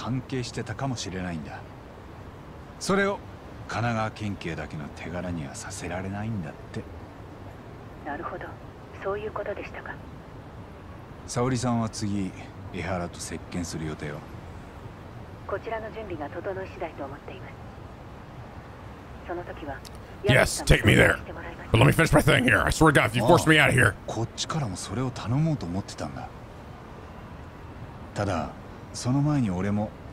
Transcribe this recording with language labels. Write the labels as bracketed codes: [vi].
[ja] あ、こっちもそろそろ電話しようと思ってたとこ。三越場殺しの材料が集まってきた。ああ、あとそういえば沙織さん、神奈川県警の渡辺刑事って。ええ、その人なら例の痴漢事件について聞きに来ました。なぜか江原を事情聴取できないのでと頼まれて。警視庁のせいだってさ、連中とした自分とこの警官が殺人犯と関係してたかもしれないんだ。それを神奈川県警だけの手柄には、させられないんだって。なるほど、そういうことでしたか。沙織さんは次、江原と接見する予定は。こちらの準備が整い次第と思っています。その時は、 [en] Yes, take me there. But let me finish my thing here. I swear to God, if you force me out of here. [ja] こっちからもそれを頼もうと思ってたんだ。ただ、その前に俺も、